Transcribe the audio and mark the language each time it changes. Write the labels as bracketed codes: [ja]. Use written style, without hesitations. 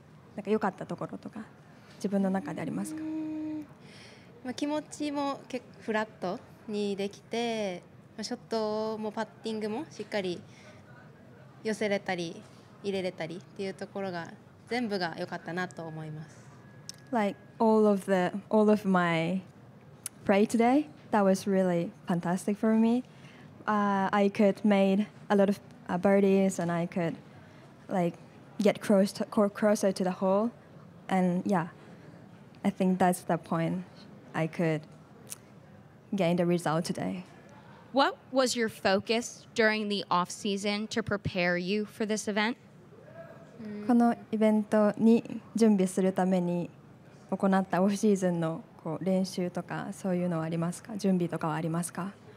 [ja] 今日のゲームの中で一番なんか良かったところとか自分の中でありますか? 気持ちも結構フラットにできて、ショットもパッティングもしっかり寄せれたり入れれたりっていうところが全部が良かったなと思います。 [en] Like all of my play today, that was really fantastic for me. I could made a lot of birdies and I could like get closer to the hole. And yeah, I think that's the point. I could gain the result today. What was your focus during the off season to prepare you for this event? [ja] このイベントに準備するために行ったオフシーズンの練習とかそういうのはありますか?準備とかはありますか?